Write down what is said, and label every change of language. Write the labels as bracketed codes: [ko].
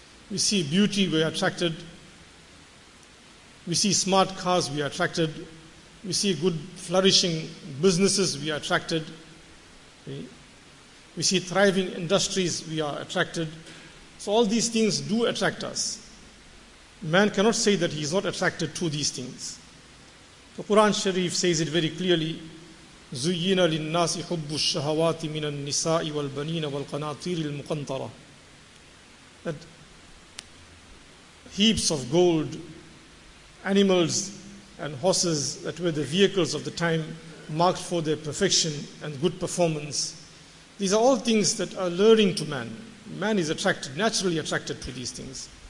[en] We see beauty, we are attracted. We see smart cars, we are attracted. We see good flourishing businesses, we are attracted. We see thriving industries, we are attracted. So all these things do attract us. Man cannot say that he is not attracted to these things. The Quran Sharif says it very clearly, [ar] زُيِّنَ لِلنَّاسِ حُبُّ الشَّهَوَاتِ مِنَ النِّسَاءِ وَالْبَنِينَ وَالْقَنَاطِيرِ الْمُقَنْطَرَةِ. [en] That heaps of gold, animals and horses that were the vehicles of the time marked for their perfection and good performance. These are all things that are luring to man. Man is attracted, naturally attracted to these things.